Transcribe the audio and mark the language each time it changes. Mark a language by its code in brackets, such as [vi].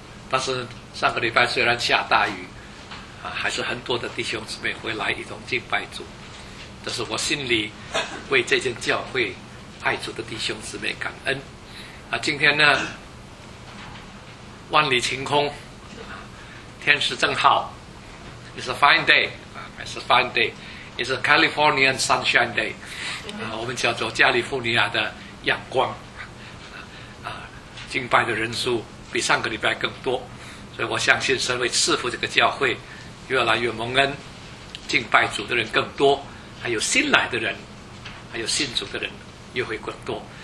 [zh] 但是上个礼拜虽然下大雨，还是很多的弟兄姊妹回来一同敬拜主，这是我心里为这间教会爱主的弟兄姊妹感恩。今天呢，万里晴空，天时正好。 [en] It's a fine day. It's a fine day. It's a Californian sunshine day. [zh] 我们叫做加利福尼亚的阳光。敬拜的人数比上个礼拜更多，所以我相信神会赐福这个教会，越来越蒙恩，敬拜主的人更多，还有新来的人，还有信主的人又会更多。